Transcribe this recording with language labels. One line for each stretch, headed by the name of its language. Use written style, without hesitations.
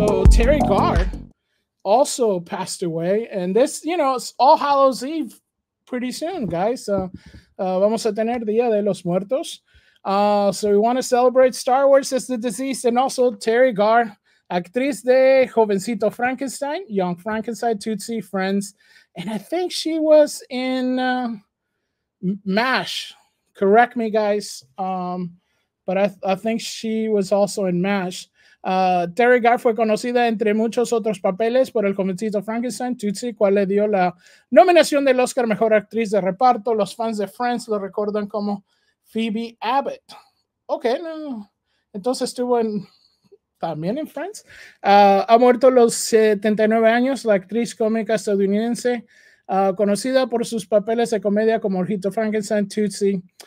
English: Terry Garr also passed away, and this, you know, it's All Hallows Eve pretty soon, guys.
Spanish: So vamos a tener Día de los Muertos.
English: So we want to celebrate Star Wars as the deceased, and also Terry Garr,
Spanish: actriz de Jovencito Frankenstein,
English: Young Frankenstein, Tootsie, Friends, and I think she was in MASH. Correct me, guys. But I think she was also in MASH.
Spanish: Terry Garr fue conocida entre muchos otros papeles por el jovencito Frankenstein, Tootsie, cual le dio la nominación del Oscar Mejor Actriz de Reparto. Los fans de Friends lo recuerdan como Phoebe Abbott. Okay, no. Entonces estuvo en, también en Friends. Ha muerto a los 79 años, la actriz cómica estadounidense, conocida por sus papeles de comedia como Ojito Frankenstein, Tootsie.